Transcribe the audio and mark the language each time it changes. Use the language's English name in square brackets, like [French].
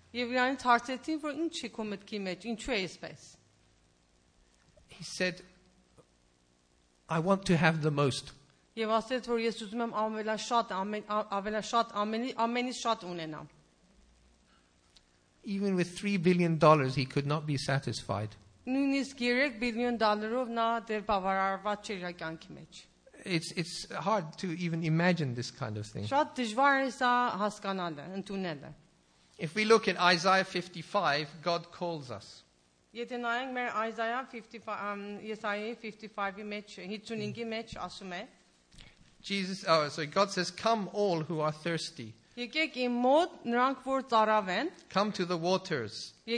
[Armenian] Եվ իրանից հարցեցին, որ ինչ է քո մտքի մեջ, ինչու է այսպես։ [English] He said, I want to have the most. [Armenian] Եվ ասել որ ես ուզում եմ ավելաշատ ավելաշատ ամենից շատ ունենամ։ [English] Even with $3 billion he could not be satisfied. [Armenian] Նույնիսկ 3 միլիոն դոլարով նա դեռ բավարարված չէր իր կյանքի մեջ։ [English] It's hard to even imagine this kind of thing. [Armenian] Շատ դժվար է սա հասկանալը, ընդունելը։ [English] If we look at Isaiah 55, God calls us. [Armenian] Եթե նայենք մեր Isaiah 55, Isaiah 55-ի մեջ, 55-ի մեջ ասում է. [English] Jesus, oh, so God says, come all who are thirsty. Come to the waters.